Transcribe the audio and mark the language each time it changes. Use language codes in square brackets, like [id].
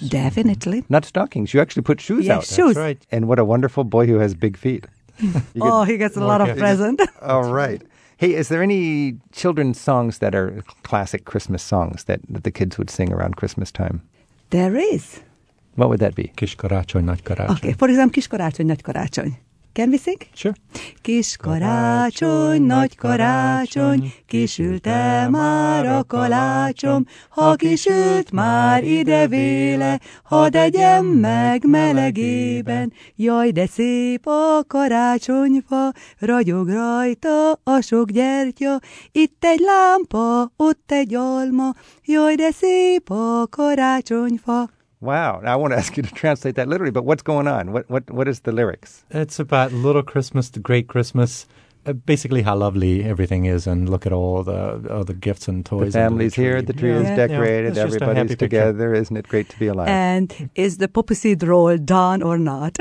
[en] Definitely. Not stockings. You actually put shoes out. Yes, shoes. That's right. And what a wonderful boy who has big feet. Oh, he gets a lot of presents. All right. Hey, is there any children's songs that are classic Christmas songs that the kids would sing around Christmas time? There is. What would that be? [hu] Kis karácsony, nagy karácsony. [en] Okay, for example, [hu] kis karácsony, nagy karácsony. [en] Can we sing? Sure. [hu] Kis karácsony, nagy karácsony, kisült-e már a kalácsom? Ha kisült, már ide véle, hadd egyem meg melegében. Jaj, de szép a karácsonyfa, ragyog rajta a sok gyertya. Itt egy lámpa, ott egy alma, jaj, de szép a karácsonyfa. [en] Wow. Now, I won't ask you to translate that literally, but what's going on? What is the lyrics? It's about little Christmas, the great Christmas, basically how lovely everything is, and look at all the gifts and toys. The family's here, the tree is decorated, everybody's together. Picture. Isn't it great to be alive? And is the poppy seed roll done or not?